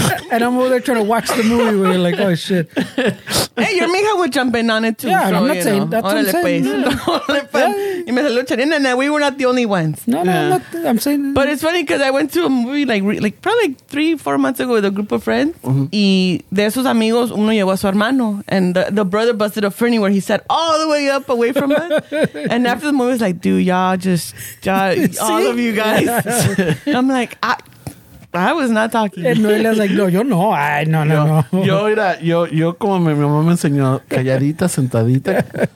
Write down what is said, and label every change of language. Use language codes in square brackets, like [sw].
[en] And I'm over there trying to watch the movie where you're like, oh shit. Hey, your mija would jump in on it too. Yeah, so, I'm not saying know. That's what I'm saying. Yeah. And then we were not the only ones. No, no, yeah. I'm saying. But it's funny because I went to a movie like probably 3-4 months ago with a group of friends. Mm-hmm. [es] Y de esos amigos, uno llevó a su hermano. [en] And the brother busted a Fernie where he sat all the way up away from us. And after the movie, it was like, dude, y'all, all of you guys. Yeah. I'm like, I was not talking. And Noelia's like, [es] no, yo no. Ay, no, no, yo, no. Yo era, yo como mi mamá me enseñó, calladita, sentadita.